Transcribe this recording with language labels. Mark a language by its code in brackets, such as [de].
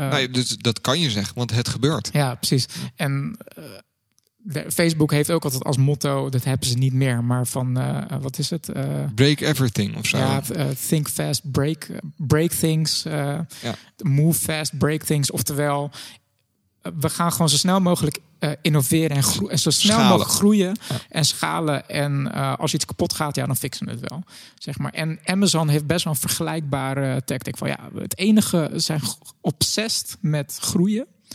[nl] Dus dat kan je zeggen, want het gebeurt. Ja, precies. En Facebook heeft ook altijd als motto, dat hebben ze niet meer, maar van, wat is het? [en] Break everything [nl] of zo. [en] Ja, think fast, break things. Move fast, break things. [nl] Oftewel, we gaan gewoon zo snel mogelijk innoveren en zo snel mogelijk groeien en schalen. En als iets kapot gaat, ja, dan fixen we het wel. Zeg maar. En Amazon heeft best wel een vergelijkbare tactiek. Van ja, het enige, ze zijn obsessed met groeien.